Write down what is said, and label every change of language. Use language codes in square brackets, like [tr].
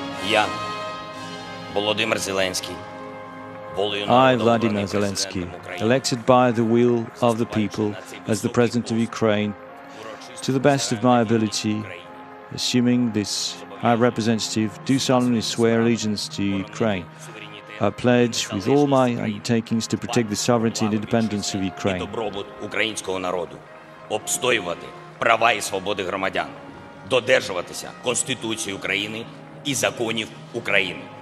[uk] Я Володимир Зеленський. [en] I, Vladimir Zelensky, elected by the will of the people as the president of Ukraine, to the best of my ability, assuming this high representative, do solemnly swear allegiance to Ukraine. I pledge with all my undertakings to protect the sovereignty and independence of Ukraine. [uk] Добробут українського народу, обстоювати права і свободи громадян, додержуватися Конституції України і законів України.